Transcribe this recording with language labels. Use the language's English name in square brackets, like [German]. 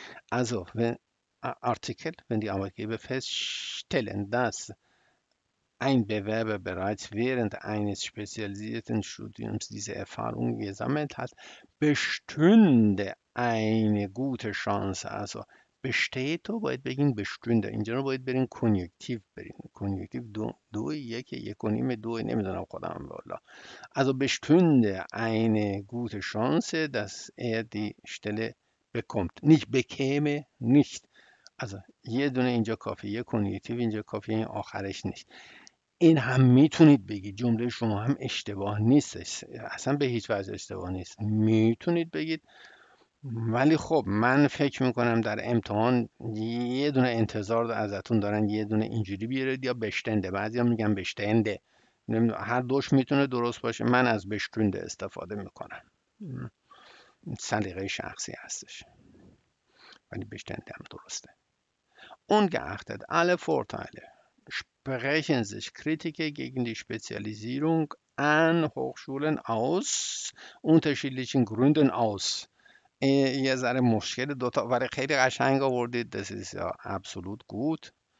[German] Also, wenn Artikel, wenn die Arbeitgeber feststellen, dass ein Bewerber bereits während eines spezialisierten Studiums diese Erfahrung gesammelt hat, bestünde eine gute Chance. Also besteht, [Persian] باید بگیم [German] بestünde. [Persian] اینجا رو باید بریم کنیکتیو بریم. کنیکتیو دو یک یک و نیم دو نمیدونم خودم والا. [German] Also bestünde eine gute Chance, dass er die Stelle bekommt. Nicht bekäme, nicht. [Persian] Also یه دونه اینجا کافی. یک کنیکتیو اینجا کافی. این آخرش نیست. این هم میتونید بگید، جمله شما هم اشتباه نیست، اصلا به هیچ وجه اشتباه نیست، میتونید بگید. ولی خب من فکر میکنم در امتحان یه دونه انتظار ازتون دارن، یه دونه اینجوری بیارید یا بشتنده. بعضی هم میگن بشتنده، هر دوش میتونه درست باشه. من از بشتنده استفاده میکنم، سلیقه شخصی هستش، ولی بشتنده هم درسته. [German] ungeachtet alle Vorteile sprechen sich Kritiker gegen die Spezialisierung an Hochschulen aus unterschiedlichen Gründen aus. Das ist ja absolut gut.